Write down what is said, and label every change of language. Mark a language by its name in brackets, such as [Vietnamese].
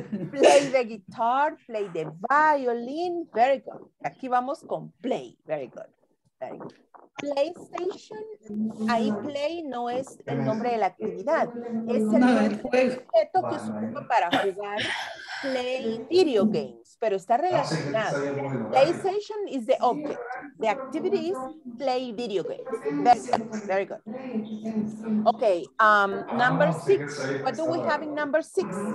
[English] Play the guitar, play the violin, very good. [Spanish] Aquí vamos con play, [English] very good. Very good. [Spanish] PlayStation, ahí play no es el nombre de la actividad, es el objeto que se usa para jugar [English] play video games, [Spanish] pero está relacionado. [English] PlayStation is the object, the activity is play video games. Very good. Okay, number six, what do we have in number six?